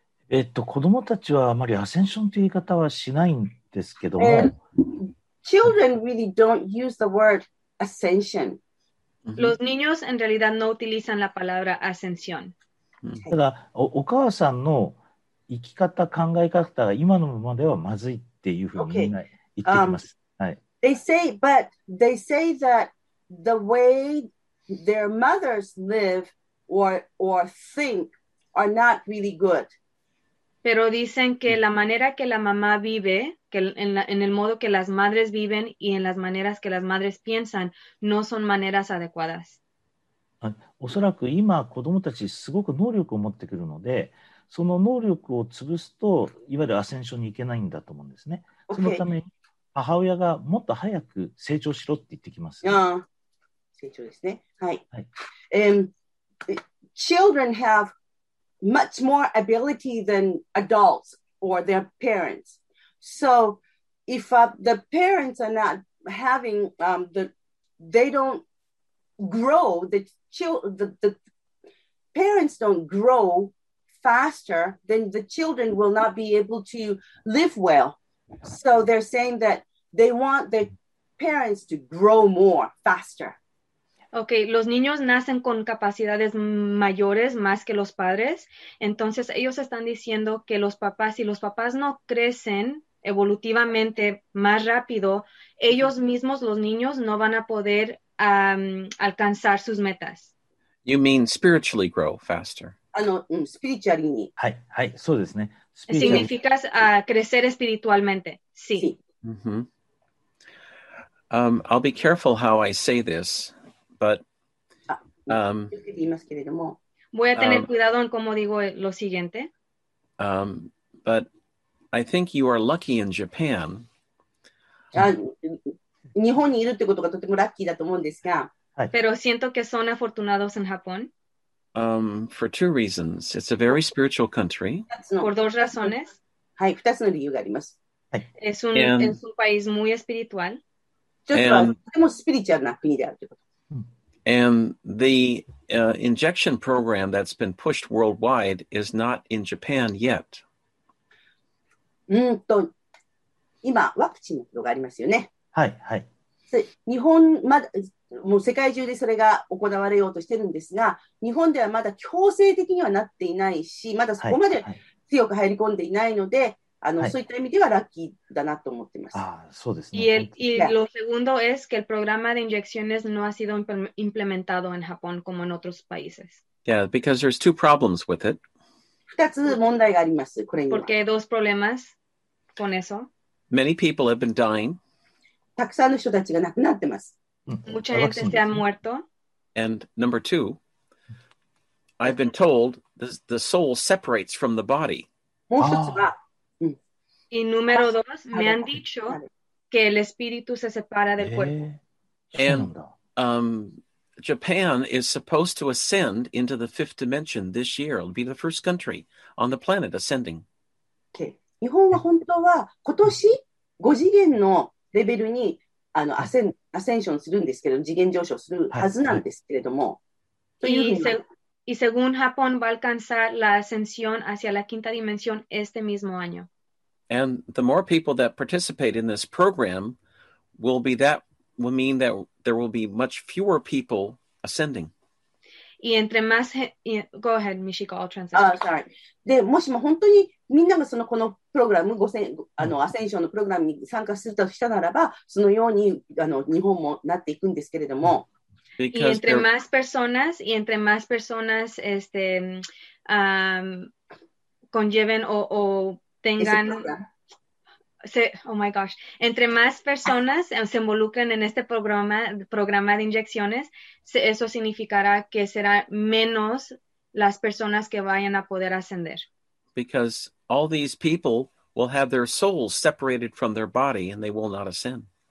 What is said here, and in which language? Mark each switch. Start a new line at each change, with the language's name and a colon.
Japanese: 子供たちはあまりアセンションという言い方はしないんですけども。
English: Children really don't use the word ascension.
Spanish: Los niños en realidad no utilizan la palabra ascensión.
Japanese: ただ、お母さんの生き方、考え方が今のままではまずいっていうふうに言ってきます。はい。
English: They say that the way their mothers live or think are not really good.
Spanish: Pero dicen que la manera que la mamá vive, que en el modo que las madres viven y en las maneras que las madres piensan, no son maneras adecuadas.
Japanese: おそらく今子供たちすごく能力を持ってくるので、その能力を潰すといわゆるアセンションに行けないんだと思うんですね。
English: Okay.
Japanese: そのために母親がもっと早く成長しろって言ってきます、ね。成長ですね。はい。
English: Children have much more ability than adults or their parents. So if the parents are not having they don't grow, the parents don't grow faster, then the children will not be able to live well. So they're saying that they want their parents to grow more, faster.
Spanish: Okay, los niños nacen con capacidades mayores más que los padres. Entonces ellos están diciendo que los papás, si los papás no crecen evolutivamente más rápido, ellos mismos, los niños, no van a poder alcanzar sus metas.
English: You mean spiritually grow faster. Spiritually.
Japanese: Hi, so ですね.
Spanish: Significa crecer espiritualmente. Sí. Sí.
English: Mm-hmm. I'll be careful how I say this. But
Spanish: voy a tener cuidado en cómo digo lo siguiente.
English: But I think you are lucky in Japan.
Japanese: 日本にいるってことがとてもラッキーだと思うんですが。はい。
Spanish: Pero siento que son afortunados en Japón.
English: For two reasons. It's a very spiritual country.
Spanish: Por dos razones.
Japanese: はい、二つの理由があります。はい。
Spanish: Es un país muy espiritual.
Japanese: とてもスピリチュアルな国であるということ。
English: And the injection program that's been pushed worldwide is not in Japan yet.
Japanese: 今ワクチンのがありますよね。はいはい。日本まだもう世界中でそれが行われようとしてるんですが、日本ではまだ強制的にはなっていないし、まだそこまで強く入り込んでいないので、はい、そういった意味ではラッキーだなと思ってます。ああ、そうですね。
Spanish: Y lo segundo es que el programa de inyecciones no ha sido implementado en Japón como en otros países.
English: Yeah, because there's two problems with it.
Japanese: 2つ問題があります、これには。
Spanish: Porque dos problemas con eso.
English: Many people have been dying.
Japanese: たくさんの人たちが亡くなってます。
Spanish: Mucha gente se ha muerto.
English: And number two, I've been told the soul separates from the body.
Japanese: もう一つは、
Spanish: y número dos, me han dicho que el espíritu se separa del cuerpo.
English: And Japan is supposed to ascend into the fifth dimension this year. It'll be the first country on the planet ascending.
Japanese: Okay. 日本は本当は今年5次元のレベルにアセンションするんですけど、次元上昇するはずなんですけれども。
Spanish: Y según Japón va a alcanzar la ascensión hacia la quinta dimensión este mismo año.
English: And the more people that participate in this program will mean that there will be much fewer people ascending.
Spanish: Y entre más...
English: Go ahead, Michiko, I'll translate. Sorry.
Japanese: で、もしも本当にみんながそのこのプログラム、アセンションのプログラムに参加するとしたならば、そのように日本もなっていくんですけれども。
Spanish: Y entre más personas, y entre más personas este, conlleven o tengan...
English: Oh my gosh.
Spanish: Entre más personas se involucren en este programa de inyecciones, eso significará que será menos las personas que vayan a poder ascender.
English: Because all these people will have their souls separated from their body and they will not ascend.